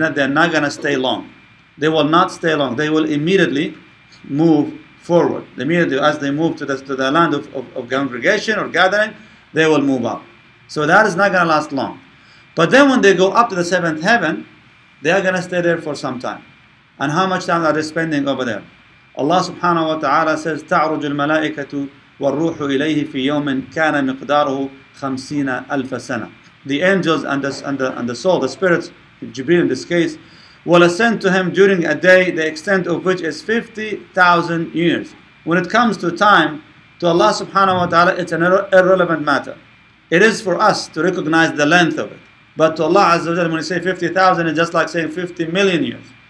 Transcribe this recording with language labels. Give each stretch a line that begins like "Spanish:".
English: It's not, they're not going to stay long. They will not stay long. They will immediately move forward. Immediately, as they move to the land of congregation or gathering, they will move up. So that is not going to last long. But then when they go up to the seventh heaven, they are going to stay there for some time. And how much time are they spending over there? Allah subhanahu wa ta'ala says,
Arabic: تَعْرُجُ الْمَلَائِكَةُ وَالْرُوحُ إِلَيْهِ فِي يَوْمٍ كَانَ مِقْدَارُهُ خَمْسِينَ أَلْفَ سَنَةٍ.
English: The angels and the soul, the spirits, Jibreel in this case, will ascend to him during a day, the extent of which is 50,000 years. When it comes to time, to Allah subhanahu wa ta'ala, it's an irrelevant matter. It is for us to recognize the length of it. But to Allah azza wa jalla, when you say 50,000, it's just like saying 50 million years.